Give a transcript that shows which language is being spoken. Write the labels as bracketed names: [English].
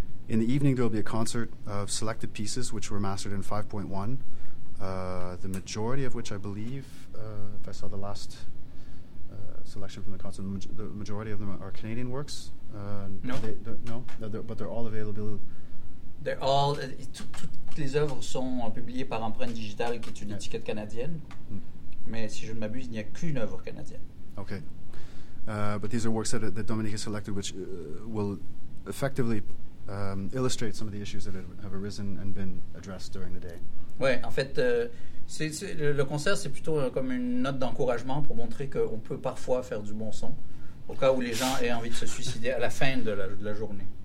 [English] In the evening, there will be a concert of selected pieces which were mastered in 5.1, the majority of which, I believe, if I saw the last selection from the concert, the majority of them are Canadian works. No, but they're all available. They're all. [French] Toutes les œuvres sont publiées par Empreinte Digitale, qui est une étiquette canadienne. Mais si je ne m'abuse, il n'y a qu'une œuvre canadienne. [English] Okay, but these are works that Dominique has selected, which will effectively illustrate some of the issues that have arisen and been addressed during the day. [French] Ouais, en fait, le concert, c'est plutôt comme une note d'encouragement pour montrer qu'on peut parfois faire du bon son au cas où les gens aient envie de se suicider à la fin de la journée.